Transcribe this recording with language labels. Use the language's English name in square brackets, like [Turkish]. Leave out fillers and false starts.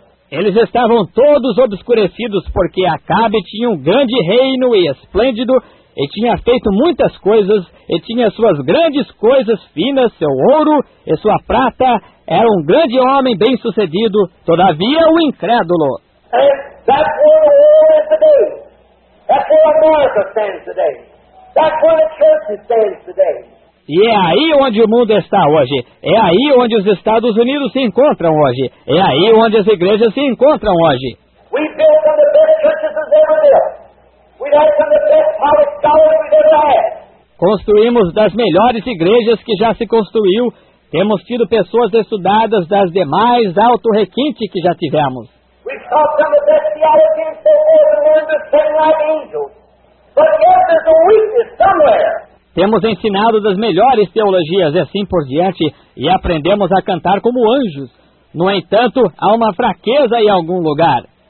[Portuguese] Eles estavam todos obscurecidos porque Acabe tinha um grande reino e esplêndido, e tinha feito muitas coisas, e tinha suas grandes coisas finas, seu ouro e sua prata, era um grande homem bem sucedido, todavia o incrédulo. [English] And that's where the world is today. That's where America stands today. That's where the church stands today. [Portuguese] E é aí onde o mundo está hoje. É aí onde os Estados Unidos se encontram hoje. É aí onde as igrejas se encontram hoje. [English] We built some of the best churches we've ever built. We had some of the best college scholars we've ever had. [Portuguese] Construímos das melhores igrejas que já se construiu. Temos tido pessoas estudadas das demais alto requinte que já tivemos. [English] We taught some of the best theology and so forth and learned to sing like angels. But yet there's a weakness somewhere. [Portuguese] Temos ensinado das melhores teologias e assim por diante, e aprendemos a cantar como anjos. No entanto, há uma fraqueza em algum lugar.